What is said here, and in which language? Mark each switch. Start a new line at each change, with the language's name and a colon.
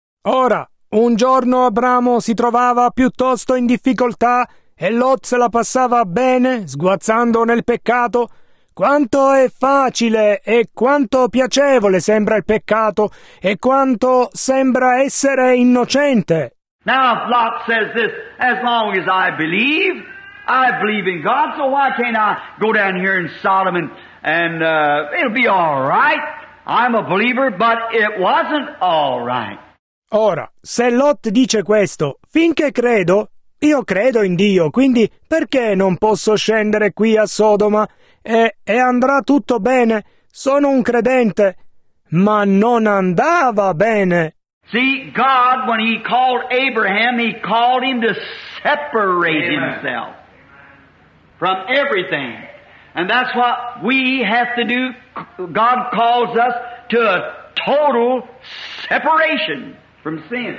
Italian: Ora, un giorno Abramo si trovava piuttosto in difficoltà e Lot se la passava bene, sguazzando nel peccato. Quanto è facile e quanto piacevole sembra il peccato e quanto sembra essere innocente.
English: Now if Lot says this, as long as I believe in God, so why can't I go down here in Sodom and it'll be all right? I'm a believer, but it wasn't all right.
Italian: Ora, se Lot dice questo, finché credo, io credo in Dio, quindi perché non posso scendere qui a Sodoma e andrà tutto bene? Sono un credente, ma non andava bene.
English: See, God, when he called Abraham, he called him to separate himself from everything. And that's what we have to do. God calls us to a total separation from sin.